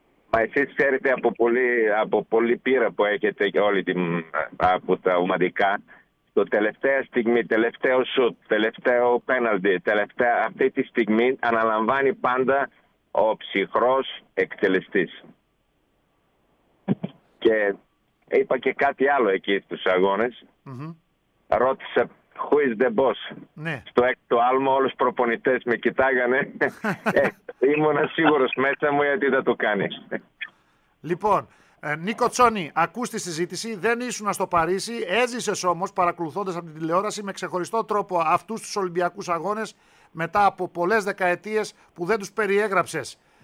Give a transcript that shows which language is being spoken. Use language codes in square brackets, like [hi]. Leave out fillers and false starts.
[el] Μα εσείς ξέρετε από πολύ πείρα που έχετε και όλη την, από τα ομαδικά, το τελευταία στιγμή, τελευταίο σουτ, τελευταίο πέναλτι, αυτή τη στιγμή αναλαμβάνει πάντα ο ψυχρός εκτελεστής. Και είπα και κάτι άλλο εκεί στους αγώνες. Mm-hmm. Ρώτησα, [en] who is the boss? [el] Ναι. Στο έκτο άλμο όλους οι προπονητές με κοιτάγανε. ήμουν σίγουρος μέσα μου γιατί θα το κάνει. Λοιπόν, Νίκο Τσόνη, ακούς τη συζήτηση, δεν ήσουν στο Παρίσι, έζησες όμως παρακολουθώντας από την τηλεόραση με ξεχωριστό τρόπο αυτούς τους Ολυμπιακούς αγώνες μετά από πολλές δεκαετίες που δεν τους περιέγραψες.